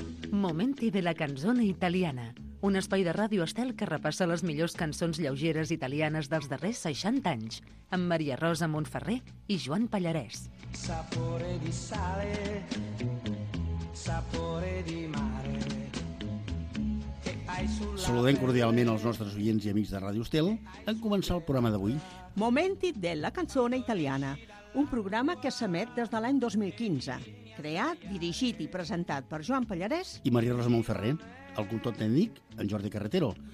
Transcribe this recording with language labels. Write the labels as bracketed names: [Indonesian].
[Catalan] Momenti della canzone italiana, un espai de ràdio Estel que repassa les millors cançons lleugeres italianes dels darrers 60 anys, amb Maria Rosa Montferrer i Joan Pallarès. [Italian] Sapore di sale, sapore di mare. [Catalan] Saludem cordialment els nostres oients i amics de Ràdio Estel en començar el programa d'avui. Momenti della canzone italiana, un programa que s'emet des de l'any 2015. Creat, dirigit i presentat per Joan Pallarès i Maria Rosa Montferrer, el cultor tècnic, en Jordi Carretero.